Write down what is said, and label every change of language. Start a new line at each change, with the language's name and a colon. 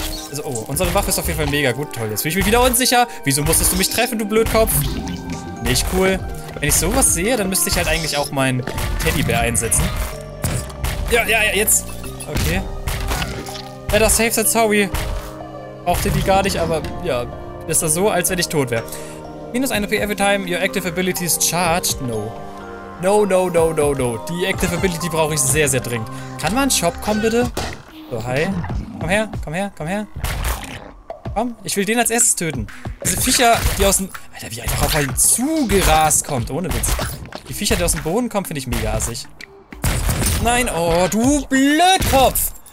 German: Also, oh, unsere Waffe ist auf jeden Fall mega gut. Toll, jetzt bin ich mir wieder unsicher. Wieso musstest du mich treffen, du Blödkopf? Nicht cool. Wenn ich sowas sehe, dann müsste ich halt eigentlich auch meinen Teddybär einsetzen. Ja, ja, ja, jetzt. Okay.
English: Better safe than sorry.
German: Brauchte die gar nicht, aber ja, ist das so, als wenn ich tot wäre.
English: Minus 1 AP every time your active ability is charged. No. No, no, no, no, no.
German: Die Active Ability brauche ich sehr, sehr dringend. Kann man in den Shop kommen, bitte? So, hi. Komm her, komm her, komm her. Komm, ich will den als erstes töten. Diese Viecher, die aus dem... Alter, wie einfach auf einen zugerast kommt. Ohne Witz. Die Viecher, die aus dem Boden kommen, finde ich mega assig. Nein, oh, du Blödkopf.